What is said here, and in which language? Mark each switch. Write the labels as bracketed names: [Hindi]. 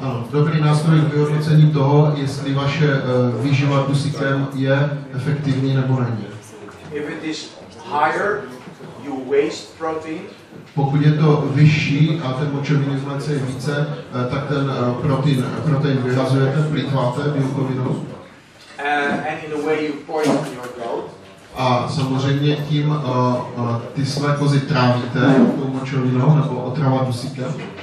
[Czech] Dobrý nástroj k vyhodnocení toho, jestli vaše výživa dusíkem je efektivní nebo není. [English] If it is higher, you waste protein. [Czech] Pokud je to vyšší a ten močovinu zmenšuje více, tak ten protein vyhazujete, plýtváte bílkovinou. [English] And in the way you poison your goat. [Czech] A samozřejmě tím ty své kozy trávíte tou močovinou nebo otrava dusíkem.